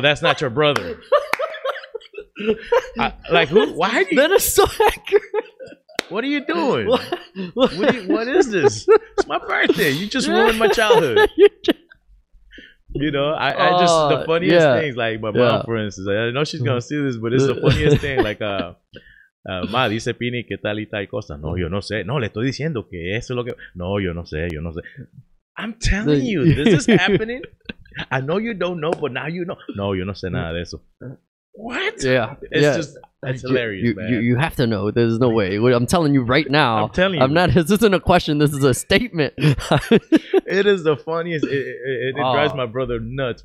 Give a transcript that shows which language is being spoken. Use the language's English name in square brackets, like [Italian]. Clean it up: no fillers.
[English] That's not your brother. Why? That is so accurate. What are you doing? What is this? It's my birthday. You just ruined my childhood. You know, I just, the funniest things, like my mom, for instance, I know she's going to see this, but it's the funniest thing. [Spanish] Like, ma, dice Pini que tal y tal cosa. No, yo no sé. No, le estoy diciendo que eso es lo que. No, yo no sé. Yo no sé. [English] I'm telling you, this is happening. I know you don't know, but now you know. [Spanish] No, yo no sé nada de eso. [English] What? Yeah. It's just, that's hilarious, man. You have to know. There's no way. I'm telling you right now. I'm telling you. I'm not, this isn't a question. This is a statement. It is the funniest. It drives my brother nuts.